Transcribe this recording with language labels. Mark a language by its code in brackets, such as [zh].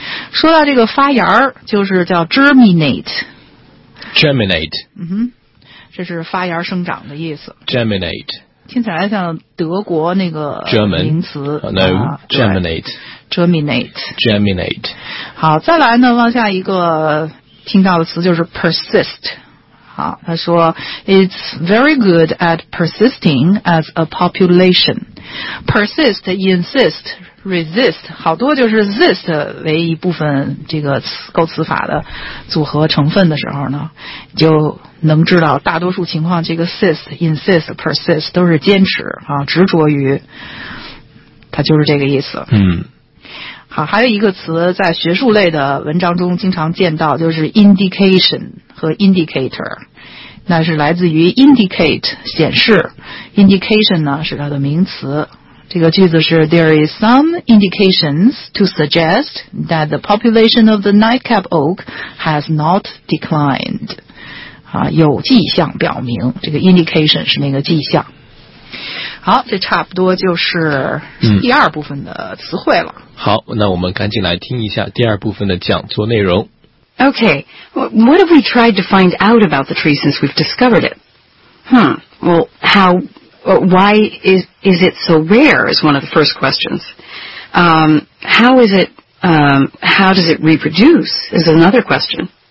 [zh] 说到这个发芽就是叫 germinate、嗯、这是发芽生长的意思。 [en] germinate [zh] 听起来像德国那个名词、 [en] German. Oh, no. germinate. germinate germinate。 [zh] 好，再来呢，往下一个听到的词就是 persist。 [en] 好，他说 It's very good at persisting as a population. [zh] Persist, insistresist， 好多就是 zist 为一部分这个构词法的组合成分的时候呢，就能知道大多数情况这个 sist、insist、persist 都是坚持啊，执着于，它就是这个意思。嗯，好，还有一个词在学术类的文章中经常见到，就是 indication 和 indicator， 那是来自于 indicate 显示 ，indication 呢是它的名词。这个句子是 [en] There is some indications to suggest that the population of the nightcap oak has not declined、 [zh] 啊、有迹象表明，这个 indication 是那个迹象。好，这差不多就是第二部分的词汇了、嗯、好，那我们赶紧来听一下第二部分的讲座内容。 [en] OK, what have we tried to find out about the tree since we've discovered it? Why is it so rare is one of the first questions. How does it reproduce is another question.